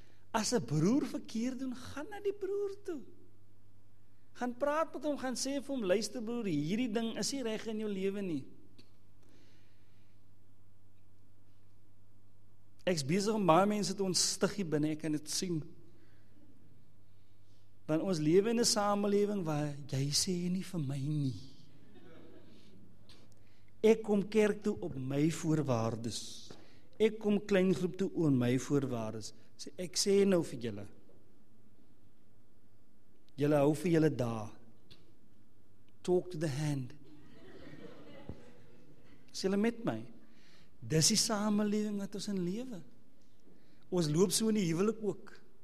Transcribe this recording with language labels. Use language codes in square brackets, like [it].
[af] As 'n broer verkeerd doen, gaan na die broer toe. Gaan praat met hom, gaan sê vir hom, luister broer, hierdie ding is nie reg in jou lewe nie. Ek is besig om baie mense te ontstig hier binne, ek kan dit sien. Want ons lewe in 'n samelewing waar jy sê nie vir my nie. Ek kom kerk toe op my voorwaardes. Ek kom kleingroep toe op my voorwaardes. Sê, ek sê nou vir julle. Julle hou vir julle daar. [en] Talk to the hand. [af] Sê julle met my. Dis die samelewing wat ons in lewe. Ons loop so in die huwelik ook.